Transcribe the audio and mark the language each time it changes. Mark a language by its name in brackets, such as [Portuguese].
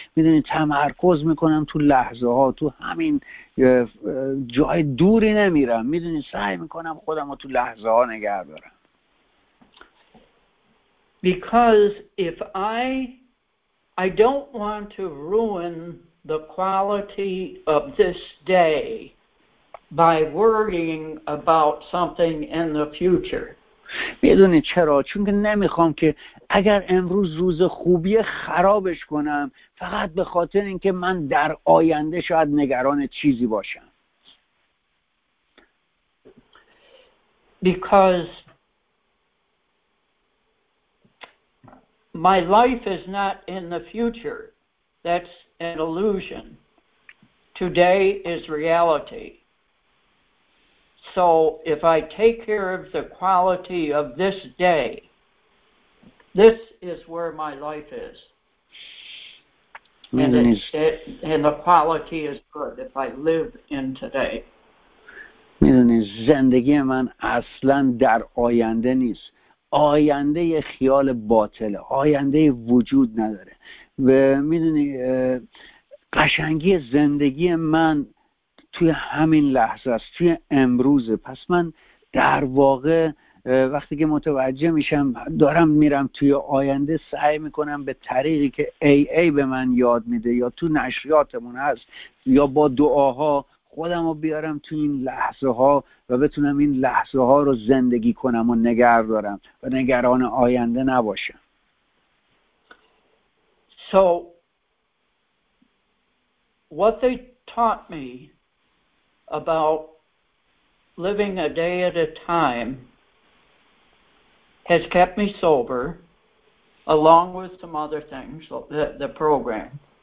[Persian] میدونید تمرکز میکنم تو لحظه ها، تو همین جای دوری نمیرم، میدونی سعی میکنم خودم رو تو لحظه ها نگه دارم. [English] Because if I don't want to ruin the quality of this day by worrying about something in the future. [Persian] میدونی چرا؟ چون که نمیخوام که اگر امروز روز خوبیه خرابش کنم فقط به خاطر اینکه من در آینده شاید نگران چیزی باشم. [English] Because my life is not in the future. That's an illusion. Today is reality. So if I take care of the quality of this day, this is where my life is. And, and the quality is good if I live in today. [Persian] میدونی زندگی من اصلا در آینده نیست. آینده یه خیال باطله. آینده وجود نداره. و میدونی قشنگی زندگی من توی همین لحظه است. توی امروزه. پس من در واقع وقتی که متوجه میشم دارم میرم توی آینده، سعی میکنم به طریقی که AA به من یاد میده یا تو نشریاتمون هست یا با دعاها خودم رو بیارم تو این لحظه ها و بتونم این لحظه ها رو زندگی کنم و نگر دارم و نگران آینده نباشم. [English] So what they taught me about living a day at a time has kept me sober, along with some other things, the program.